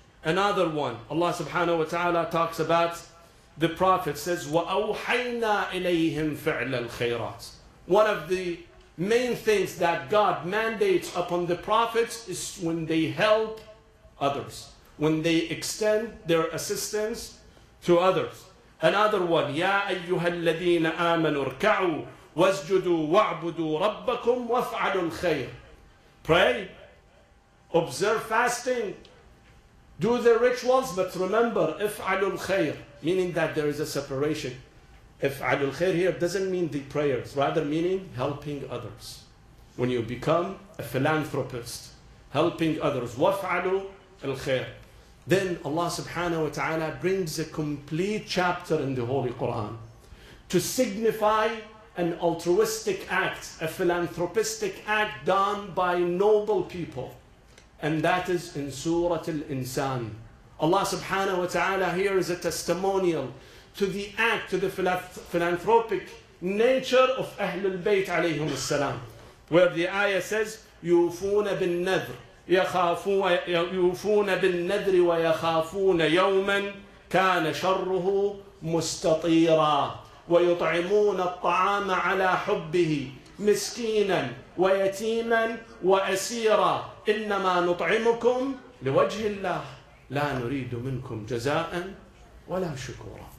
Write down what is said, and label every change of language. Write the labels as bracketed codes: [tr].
[en] Another one, Allah subhanahu wa ta'ala talks about the Prophet, says, [ar] وَأَوْحَيْنَا إِلَيْهِمْ فِعْلَ الْخَيْرَاتِ. [en] One of the main things that God mandates upon the Prophets is when they help others, when they extend their assistance to others. Another one, [ar] يَا أَيُّهَا الَّذِينَ آمَنُوا ارْكَعُوا وَاسْجُدُوا وَعْبُدُوا رَبَّكُمْ وَافْعَلُوا الْخَيْرِ. [en] Pray, observe fasting, do the rituals, but remember, [ar] افْعَلُوا الْخَيْرِ, [en] meaning that there is a separation. [ar] افْعَلُوا الْخَيْرِ [en] here doesn't mean the prayers, rather meaning helping others. When you become a philanthropist, helping others, [ar] وَافْعَلُوا الْخَيْرِ. [en] Then Allah subhanahu wa ta'ala brings a complete chapter in the Holy Quran to signify an altruistic act, a philanthropistic act done by noble people. And that is in Surah Al-Insan. Allah subhanahu wa ta'ala here is a testimonial to the act, to the philanthropic nature of Ahlul Bayt alayhim as-salam, where the ayah says, [ar] يوفون بالنذر يوفون بالنذر ويخافون يوما كان شره مستطيرا ويطعمون الطعام على حبه مسكينا ويتيما وأسيرا إنما نطعمكم لوجه الله لا نريد منكم جزاء ولا شكورا.